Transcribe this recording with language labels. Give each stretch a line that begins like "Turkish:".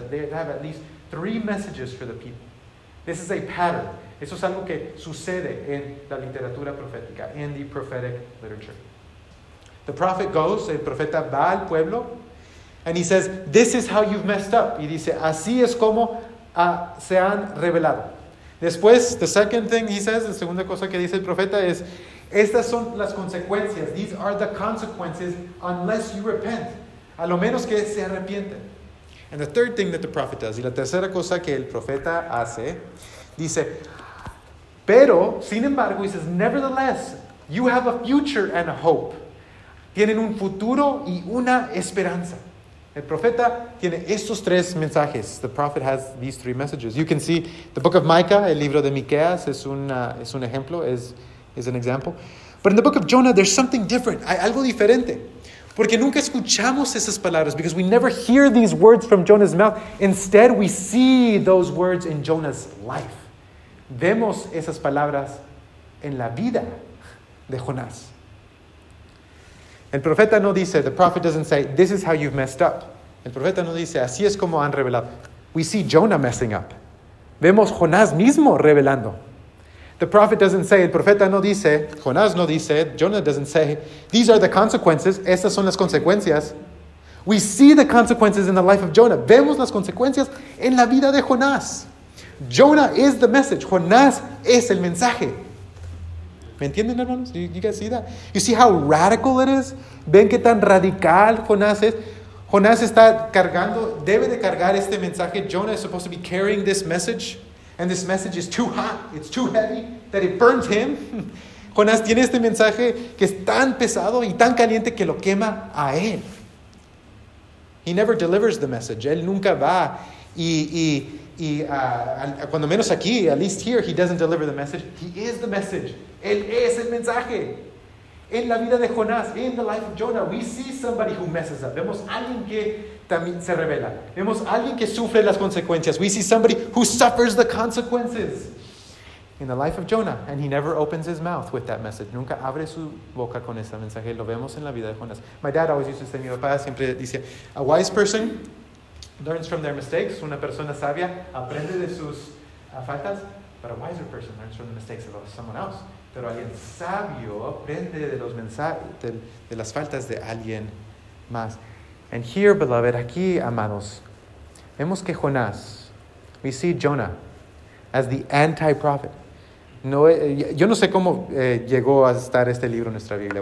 English: They have at least three messages for the people. This is a pattern.
Spanish: Eso es algo que sucede en la literatura profética, in the prophetic literature.
English: The prophet goes, el profeta va al pueblo, and he says, this is how you've messed up.
Spanish: Y dice, así es como se han rebelado. Después, the second thing he says, la segunda cosa que dice el profeta es, estas son las consecuencias.
English: These are the consequences unless you repent. A lo menos que se arrepienten. And the third thing that the prophet does, y la tercera cosa que el profeta hace, dice, pero, sin embargo, he says, nevertheless, you have a future and a hope.
Spanish: Tienen un futuro y una esperanza. El profeta tiene estos tres mensajes.
English: The prophet has these three messages. You can see the book of Micah, el libro de Miqueas, es un ejemplo, is an example. But in the book of Jonah, there's something different. Hay algo diferente. Porque nunca escuchamos esas palabras, because we never hear these words from Jonah's mouth. Instead, we see those words in Jonah's life.
Spanish: Vemos esas palabras en la vida de Jonás.
English: El profeta no dice, the prophet doesn't say, this is how you've messed up.
Spanish: El profeta no dice, así es como han revelado.
English: We see Jonah messing up. Vemos Jonás mismo revelando. The prophet doesn't say, el profeta no dice, Jonás no dice, Jonah doesn't say, these are the consequences, estas son las consecuencias. We see the consequences in the life of Jonah.
Spanish: Vemos las consecuencias en la vida de Jonás.
English: Jonah is the message. Jonás es el mensaje. ¿Me entienden, hermanos? You guys see that? You see how radical it is? ¿Ven qué tan radical Jonás es?
Spanish: Jonás está cargando, debe de cargar este mensaje.
English: Jonah is supposed to be carrying this message. And this message is too hot, it's too heavy, that it burns him.
Spanish: Jonás tiene este mensaje que es tan pesado y tan caliente que lo quema a él.
English: He never delivers the message. Él nunca va y cuando menos aquí, at least here, he doesn't deliver the message. He is the message. Él es el mensaje. En la vida de Jonás, in the life of Jonah, we see somebody who messes up.
Spanish: Vemos alguien que también se revela. Vemos alguien que sufre las consecuencias.
English: We see somebody who suffers the consequences. In the life of Jonah, and he never opens his mouth with that message.
Spanish: Nunca abre su boca con ese mensaje. Lo vemos en la vida de Jonás.
English: My dad always used to say, mi papá siempre dice, a wise person learns from their mistakes.
Spanish: Una persona sabia aprende de sus faltas.
English: But a wiser person learns from the mistakes of someone else.
Spanish: Pero alguien sabio aprende de los mensajes de las faltas de alguien más.
English: And here, beloved, aquí, amados, vemos que Jonás, we see Jonah as the anti-prophet.
Spanish: No, yo no sé cómo llegó a estar este libro en nuestra Biblia.